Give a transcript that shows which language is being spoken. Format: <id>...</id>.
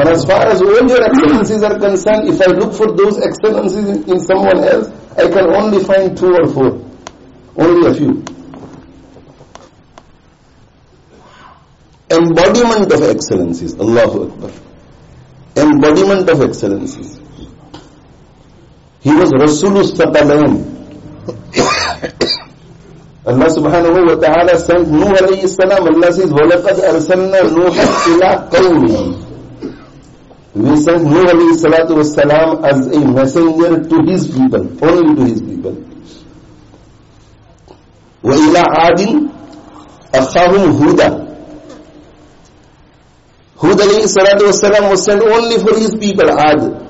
<en>And as far as all your excellencies are concerned, if I look for those excellencies in someone else, I can only find two or four. Only a few. Embodiment of excellencies. Allahu Akbar. Embodiment of excellencies. He was Rasulus Satalayn. Allah subhanahu wa ta'ala sent Nuh alayhi salam. Allah says,</en> <ar>وَلَقَدْ أَرْسَلْنَا نُوحَ إِلَىٰ قَوْمِهِ.</ar> <en>We sent Nuh alayhi salatu wa salam as a messenger to his people, only to his people.</en> <ar>وَإِلَىٰ عَادٍ أَخَاهُمْ هُدَى.</ar> <en>Hud alayhi salatu wa salam was sent only for his people, Aad.</en>